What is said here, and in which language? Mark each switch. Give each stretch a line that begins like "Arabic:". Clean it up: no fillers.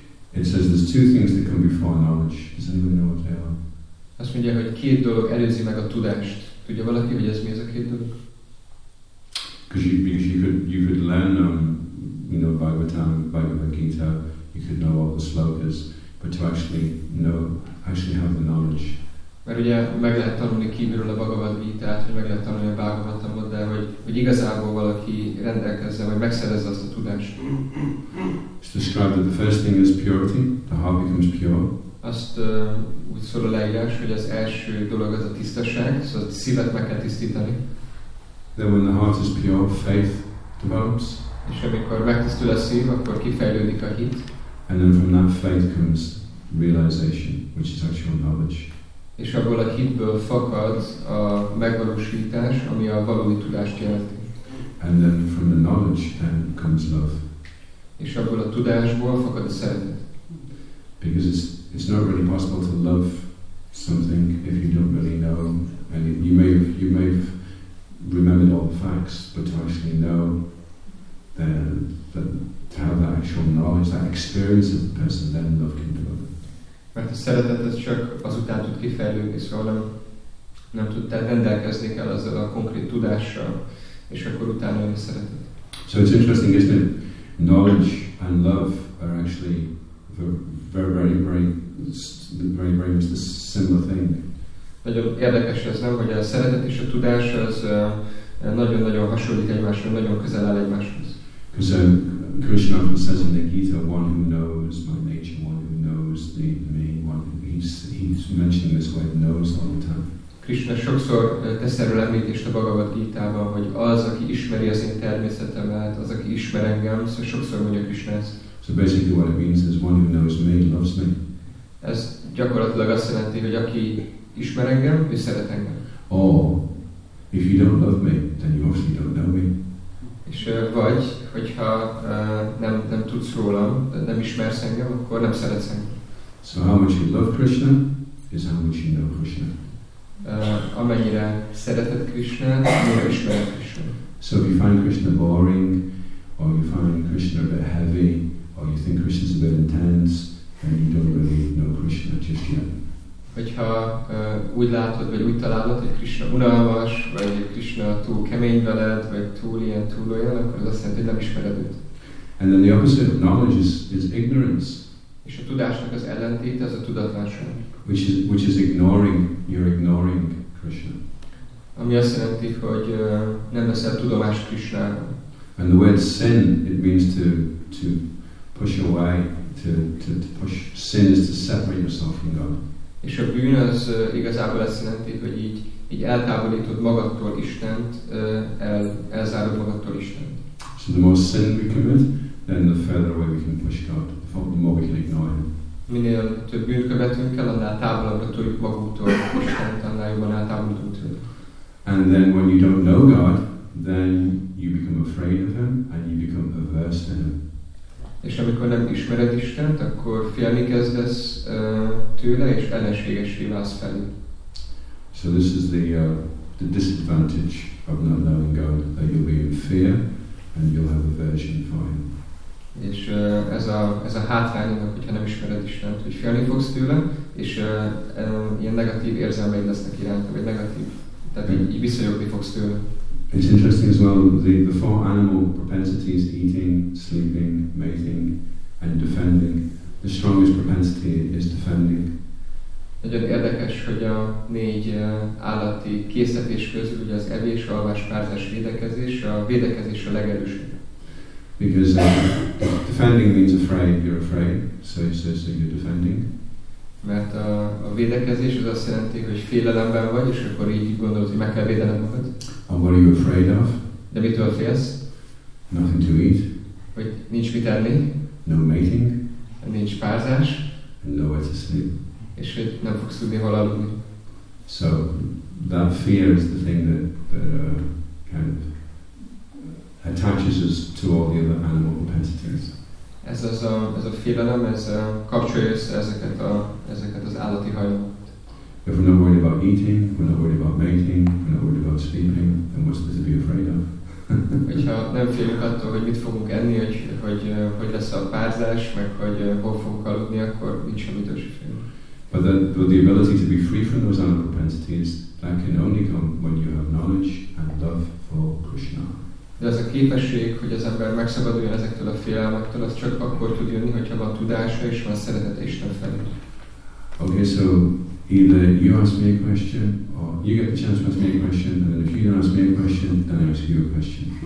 English: It says there's two things that come before knowledge. Does anyone know what they are?
Hungarian: Azt mondja, hogy két dolog előzi meg a tudást. Tudja valaki, hogy ez mi ez a két dolog?
English: Because you could learn Bhagavatam, Bhagavad Gita, you could know all the slokas, but to actually have the knowledge.
Hungarian: Mert ugye meg lehet tanulni kívülről a Bhagavad Gita-t, hogy meg lehet tanulni a Bhagavatamot, de hogy igazából valaki rendelkezzen, vagy megszerezze azt a tudást.
English: It's described that the first thing is purity, the heart becomes pure.
Hungarian: Azt úgy szól a leírás, hogy az első dolog az a tisztaság, szóval a szívet meg kell tisztítani.
English: Then when the heart is pure, faith develops.
Hungarian: És amikor megtisztul a szív, akkor kifejlődik a hit.
English: And then from that faith comes realization, which is actual knowledge.
Hungarian: És abból a hitből fakad a megvalósítás, ami a valódi tudást jelenti.
English: And then from the knowledge then comes love.
Hungarian: És abból a tudásból fakad a szeretet.
English: Because it's not really possible to love something if you don't really know. And you may have remembered all the facts, but to actually know to have that actual knowledge, that experience of the person, then love can develop.
Hungarian: Mert a szeretet az csak azután tud kifejlődni, szóval nem tud, tehát rendelkezni kell azzal a konkrét tudással, és akkor utána jön a szeretet.
English: So it's interesting, isn't it? Knowledge and love are actually very, very, very, very, very, very the similar thing.
Hungarian: Nagyon érdekes ez, nem? Hogy a szeretet és a tudás az nagyon-nagyon hasonlít egymáshoz, nagyon közel áll egymáshoz.
English: Because Krishna often says in the Gita, one who knows my nature, one who knows the me, one who he's mentioning this word knows all the time.
Hungarian: Krishna sokszor tesz erről említést a Bhagavad Gita-ban, hogy az, aki ismeri az én természetemet, az, aki ismer engem, szóval sokszor mondja Krishna ezt.
English: So basically what it means is one who knows me, loves me.
Hungarian: Ez gyakorlatilag azt jelenti, hogy aki ismer engem, ő szeret engem.
English: Oh, if you don't love me, then you obviously don't know me.
Hungarian: És vagy, hogyha nem tudsz rólam, nem ismersz engem, akkor nem szeretsz engem.
English: So how much you love Krishna is how much you know Krishna.
Hungarian: Amennyire szereted Krishna, amennyire ismered Krishna.
English: So if you find Krishna boring, or you find Krishna a bit heavy, or you think Krishna's a bit intense, then you don't really know Krishna just yet.
Hungarian: Hogyha úgy látod, vagy úgy találod, hogy Krishna unalmas, vagy Krishna túl kemény veled, vagy túl ilyen, túl olyan, akkor az azt jelenti, hogy nem ismered őt.
English: And then the opposite of knowledge is ignorance.
Hungarian: És a tudásnak az ellentét, az a tudatlanság.
English: Which is ignoring, you're ignoring Krishna.
Hungarian: Ami azt jelenti, hogy nem veszel tudomást Krishnáról.
English: And the word sin, it means to push away, to push, sin is to separate yourself from God.
Hungarian: És a bűn az igazából azt jelenti, hogy így így eltávolítod magadtól Istent, elzárod magadtól Istent.
English: So the more sin we commit, then the further away we can push God, the more we can ignore Him.
Hungarian: Minél több bűnt követünk el, annál távolabbra tudjuk magunktól Istent, annál jobban eltávolítunk tőle.
English: And then when you don't know God, then you become afraid of Him and you become averse to Him.
Hungarian: És amikor nem ismered Istent, akkor félni kezdesz tőle és ellenségessé válsz felé.
English: So this is the disadvantage of not knowing God, that you'll be in fear and you'll have aversion for Him.
Hungarian: És ez a hátrány, hogyha nem ismered Istent, hogy félni fogsz tőle, és ilyen negatív érzelmeid lesznek iránta, vagy negatív, tehát így visszajogni fogsz tőle.
English: It's interesting as well, the four animal propensities, eating, sleeping, mating, and defending. The strongest propensity is defending.
Hungarian: Nagyon érdekes, hogy a négy állati készítés közül, ugye az evés, alvás, párzás, védekezés a legerősebb.
English: Because defending means afraid, you're afraid, so you're defending.
Hungarian: Mert a védekezés az azt jelenti, hogy félelemben vagy, és akkor így gondolod, hogy meg kell védenem magad.
English: And what are you afraid of?
Hungarian: De mitől félsz?
English: Nothing to eat.
Hungarian: Hogy nincs mit enni.
English: No mating.
Hungarian: Nincs párzás.
English: And nowhere to sleep.
Hungarian: És hogy nem fogsz tudni hol aludni.
English: So that fear is the thing that kind of attaches us to all the other animal propensities.
Hungarian: Ez az ez a félelem, ez kapcsolja össze ezeket az állati hajlamokat.
English: If we're not worried about eating, we're not worried about mating, we're not worried about sleeping, then what's there to be afraid of?
Hungarian: Hogyha nem félünk attól, hogy mit fogunk enni, hogy lesz a párzás, meg hogy hol fogunk aludni, akkor nincs semmitől se félünk.
English: But the ability to be free from those animal propensities, that can only come when you have knowledge and love for Krishna.
Hungarian: De az a képesség, hogy az ember megszabaduljon ezektől a félelmektől, az csak akkor tud jönni, hogyha van tudása és van szeretete Isten felé.
English: Okay, so either you ask me a question, or you get the chance to ask me a question, and then if you don't ask me a question, then I ask you a question.